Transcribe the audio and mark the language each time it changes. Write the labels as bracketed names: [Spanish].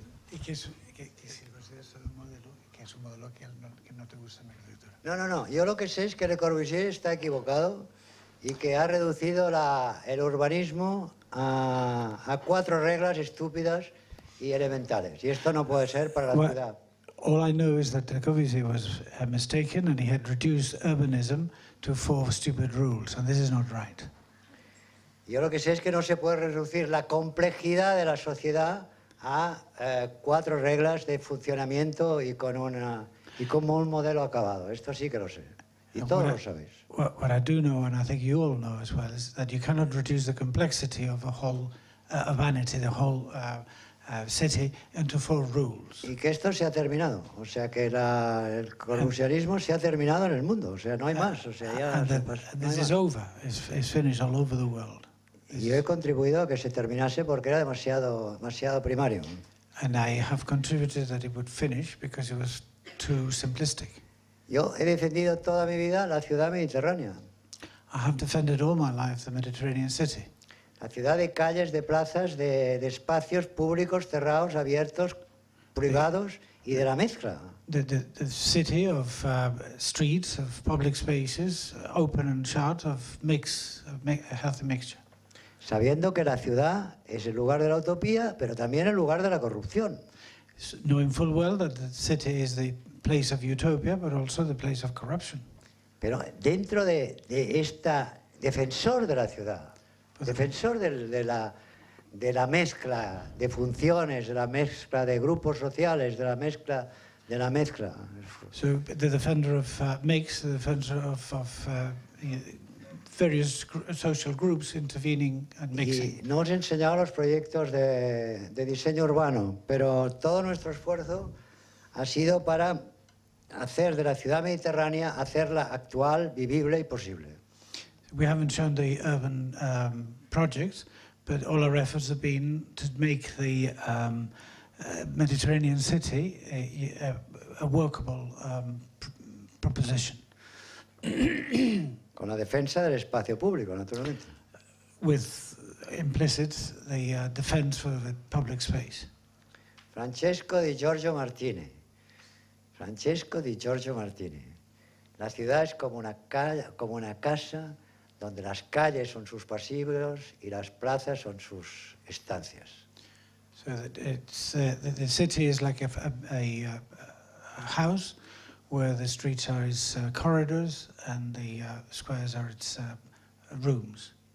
[Spanish] ¿Y qué es si lo consideras un modelo, que es un modelo que no te gusta en la arquitectura? No, yo lo que sé es que Le Corbusier está equivocado y que ha reducido la, el urbanismo a cuatro reglas estúpidas y elementales. Y esto no puede ser para la ciudad. [English] All I know is that Le Corbusier was mistaken and he had reduced urbanism to four stupid rules, and this is not right. [Spanish] Yo lo que sé es que no se puede reducir la complejidad de la sociedad a cuatro reglas de funcionamiento y con una y como un modelo acabado. Esto sí que lo sé. Y todos lo sabéis. [English] What I do know, and I think you all know as well, is that you cannot reduce the complexity of a whole urbanity, the whole city, into four rules. [Spanish] Y que esto se ha terminado. O sea, que la, el corrupcionismo se ha terminado en el mundo. O sea, no hay más. O sea, ya [English] this is over. It's finished all over the world. [Spanish] Y yo he contribuido a que se terminase porque era demasiado primario. [English] And I have contributed that it would finish because it was too simplistic. [Spanish] Yo he defendido toda mi vida la ciudad mediterránea. [English] I have defended all my life the Mediterranean city. [Spanish] La ciudad de calles, de plazas, de espacios públicos, cerrados, abiertos, privados y de la mezcla. [English] The city of streets, of public spaces, open and shut, a healthy mixture. [Spanish] Sabiendo que la ciudad es el lugar de la utopía, pero también el lugar de la corrupción. [English] Knowing full well that the city is the place of utopia, but also the place of corruption. [Spanish] Pero dentro de esta defensor de la ciudad, defensor de la mezcla de funciones, de la mezcla de grupos sociales, de la mezcla. [English] So the defender of mix, the defender of various social groups intervening and mixing. [Spanish] Y no os he enseñado los proyectos de diseño urbano, pero todo nuestro esfuerzo ha sido para hacer de la ciudad mediterránea, hacerla actual, vivible y posible. [English] We haven't shown the urban projects, but all our efforts have been to make the Mediterranean city a workable proposition. [Spanish] Con la defensa del espacio público, naturalmente. [English] With implicit the defense of the public space. [Spanish] Francesco Di Giorgio Martini. Francesco Di Giorgio Martini. La ciudad es como una calle, como una casa donde las calles son sus pasillos y las plazas son sus estancias. [English] So it's the city is like a house where the streets are its corridors and the squares are its rooms.